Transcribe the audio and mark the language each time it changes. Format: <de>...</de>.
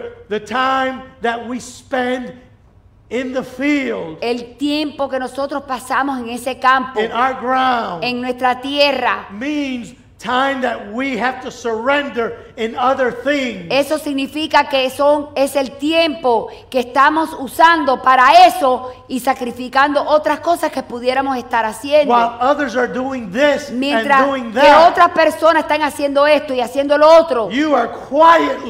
<en>The time that we spend in the field,</en> <es>el tiempo que nosotros pasamos en ese campo,</es> <en>in our ground,</en> <es>en nuestra tierra,</es> <en>means time that we have to surrender in other things.</en> <es>Eso significa que son es el tiempo que estamos usando para eso y sacrificando otras cosas que pudiéramos estar haciendo.</es> <en>While others are doing this</en> <es>mientras</es> <en>and doing that,</en> <es>que otras personas están haciendo esto y haciendo lo otro.</es> <en>You are quietly,</en>